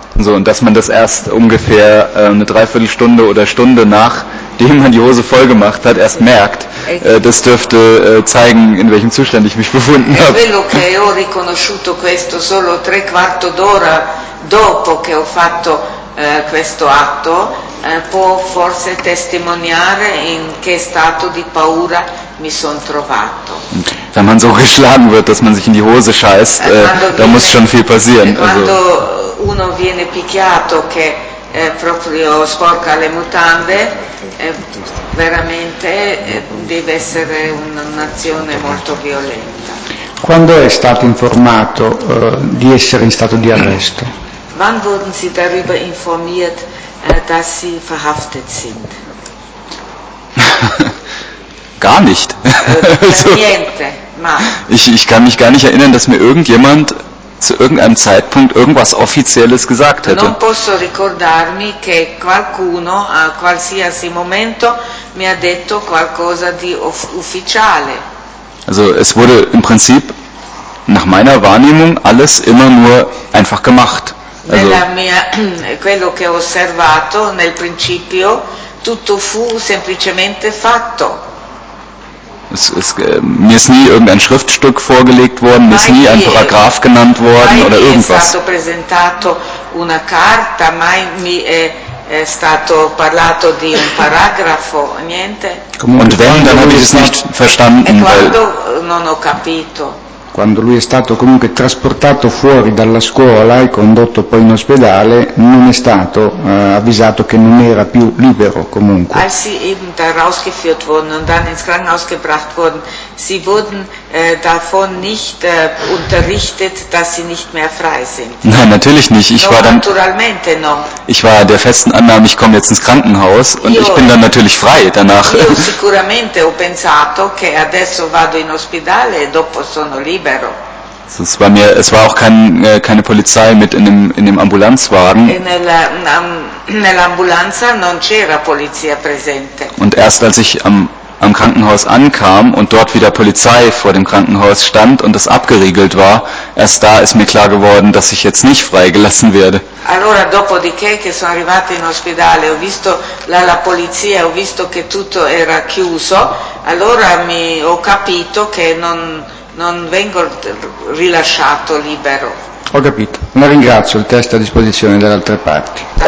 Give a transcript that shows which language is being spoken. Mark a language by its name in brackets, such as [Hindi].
[German] So, und dass man das erst ungefähr eine Dreiviertelstunde oder Stunde, nachdem man die Hose voll gemacht hat, erst merkt, das dürfte zeigen, in welchem Zustand ich mich befunden habe. [Italian] Quello che ho riconosciuto questo solo tre quarto d'ora dopo che ho fatto questo atto, può forse testimoniare in che stato di paura mi sono trovato. [German] Wenn man so geschlagen wird, dass man sich in die Hose scheißt, da muss schon viel passieren. [Italian] Quando uno viene picchiato che proprio sporca le mutande, veramente deve essere un'azione molto violenta. Quando è stato informato di essere in stato di arresto? [German] Wann wurden Sie darüber informiert, dass Sie verhaftet sind? Gar nicht. [Italian] Also, niente, ma. [German] Ich kann mich gar nicht erinnern, dass mir irgendjemand zu irgendeinem Zeitpunkt irgendwas Offizielles gesagt hätte. [Italian] Non posso ricordarmi che qualcuno a qualsiasi momento mi ha detto qualcosa di ufficiale. [German] Also es wurde im Prinzip nach meiner Wahrnehmung alles immer nur einfach gemacht. [Italian] Nella mia, quello che ho osservato nel principio, tutto fu semplicemente fatto. [German] Mir ist nie irgendein Schriftstück vorgelegt worden, mir ist nie ein Paragraph genannt worden oder irgendwas. [Italian] Mai mi è stato presentato una carta, mai mi è stato parlato di un paragrafo, niente. [German] Und wenn, dann habe ich es nicht verstanden. [Italian] Quando non ho capito. Quando lui è stato comunque trasportato fuori dalla scuola e condotto poi in ospedale, non è stato avvisato che non era più libero comunque. [German] Als sie eben da rausgeführt wurden und dann ins Krankenhaus gebracht wurden, sie wurden davon nicht unterrichtet, dass sie nicht mehr frei sind. Nein, natürlich nicht. Ich war der festen Annahme, ich komme jetzt ins Krankenhaus und ich bin dann natürlich frei danach. [Italian] Io sicuramente ho pensato che adesso vado in ospedale e dopo sono libero. [German] Es war mir, es war auch kein, keine Polizei mit in dem Ambulanzwagen. [Italian] Nell'ambulanza non c'era polizia presente. [German] Und erst als ich am, am Krankenhaus ankam und dort wieder Polizei vor dem Krankenhaus stand und das abgeriegelt war, erst da ist mir klar geworden, dass ich jetzt nicht freigelassen werde. [Italian] Allora, dopodiché che sono arrivato in ospedale, ho visto la, la polizia, ho visto che tutto era chiuso, allora mi ho capito che non non vengo rilasciato libero. Ho capito. La ringrazio, il testo è a disposizione delle altre parti.